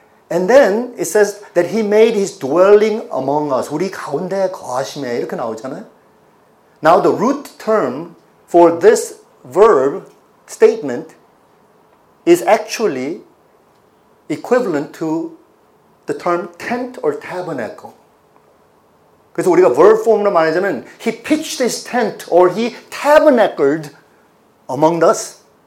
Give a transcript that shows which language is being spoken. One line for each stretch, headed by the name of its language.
English: And then it says that he made his dwelling among us.
Korean: 우리 가운데 거하시매 이렇게 나오잖아요.
English: Now the root term for this verb statement is actually equivalent to the term tent or tabernacle.
Korean: 그래서 우리가 verb form으로 말하자면
English: he pitched his tent or he tabernacled among us.